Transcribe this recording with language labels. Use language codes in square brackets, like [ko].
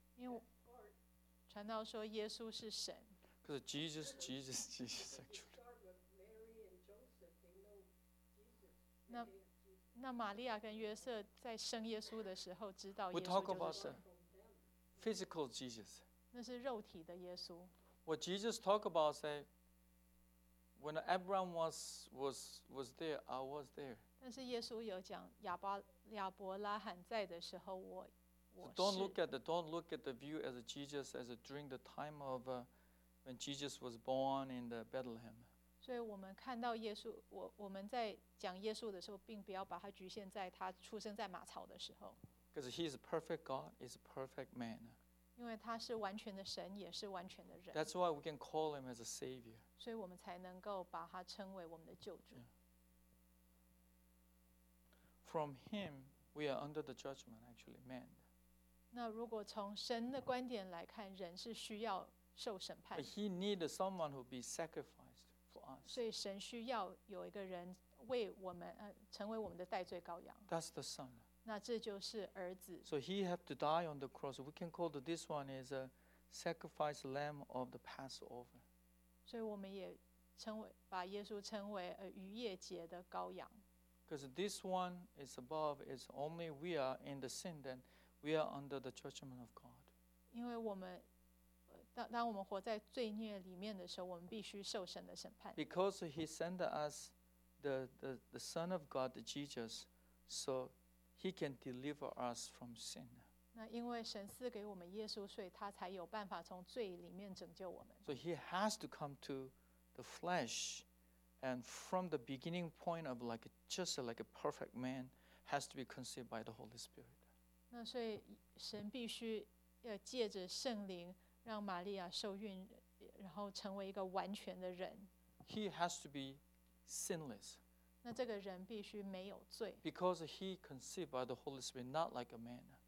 [zh] 因为传道说耶稣是神。 [en] Because Jesus actually. [zh] 那那玛利亚跟约瑟在生耶稣的时候知道耶稣就是 [en] 神。We talk about the physical Jesus. [zh] 那是肉体的耶稣。 [en] What Jesus talk about say, when Abraham was there, I was there. [zh] 但是耶稣有讲亚伯拉罕在的时候我是。 [en] So don't look at the view as Jesus as during the time of when Jesus was born in the Bethlehem. [zh] 所以我们看到耶稣 我们在讲耶稣的时候并不要把他局限在他出生在马槽的时候。 [en] Because he is a perfect God, he is a perfect man. [zh] 因为他是完全的神也是完全的人。 [en] That's why we can call him as a savior. [zh] 所以我们才能够把他称为我们的救主。 [en] Yeah. From him, we are under the judgment, actually, man. [zh] 那如果从神的观点来看人是需要受审判。 [en] But he needs someone who be sacrificed. [zh] 所以神需要有一个人为我们成为我们的代罪羔羊。 [en] That's the son. [zh] 那这就是儿子。 [en] So he have to die on the cross. We can call this one as a sacrifice lamb of the Passover. [zh] 所以我们也把耶稣称为逾越节的羔羊。 [en] Because this one is above, is only we are in the sin, then we are under the judgment of God. [zh] 因为我们当我们活在罪孽里面的时候，我们必须受神的审判。 [en] Because he sent us the Son of God, Jesus, so he can deliver us from sin. [zh] 那因为神赐给我们耶稣，所以他才有办法从罪里面拯救我们。 [en] So he has to come to the flesh, and from the beginning point of like just like a perfect man, has to be conceived by the Holy Spirit. [zh] 那所以神必须借着圣灵让玛利亚受孕，然后成为一个完全的人。 [en] He has to be sinless. [zh] 那这个人必须没有罪。 [en] Because he conceived by the Holy Spirit, not like a man.